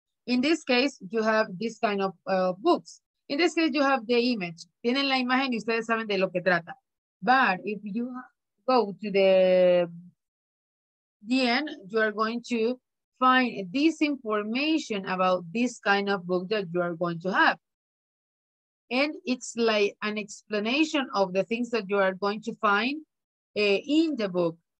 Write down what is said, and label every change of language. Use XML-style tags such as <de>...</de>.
<en>In this case, you have this kind of books. In this case, you have the image.</en> <es>Tienen la imagen y ustedes saben de lo que trata.</es> <en>But if you go to the end, you are going to find this information about this kind of book that you are going to have. And it's like an explanation of the things that you are going to find in the book.</en>